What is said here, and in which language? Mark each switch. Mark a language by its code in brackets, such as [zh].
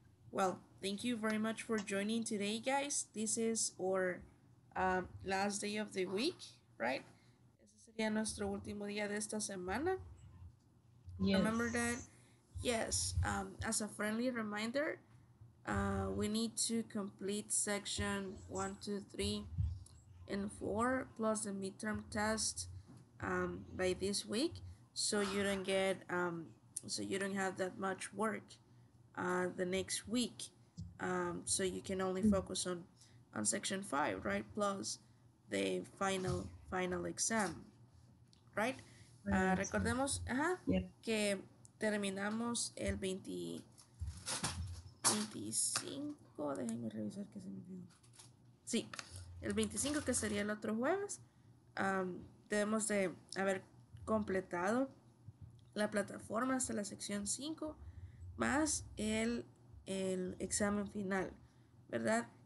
[en] Well, thank you very much for joining today, guys. This is our last day of the week, right? [es] Ese sería nuestro último día de esta semana. [en] Yes. Remember that? Yes. As a friendly reminder, we need to complete section 1, 2, 3, and 4, plus the midterm test by this week. So you don't get so you don't have that much work the next week, so you can only focus on section 5, right, plus the final exam, right? [es] Recordemos que terminamos el 25, déjenme revisar que se me olvidó. Sí, el 25, que sería el otro jueves, debemos de haber completado la plataforma hasta la sección 5 más el examen final, ¿verdad?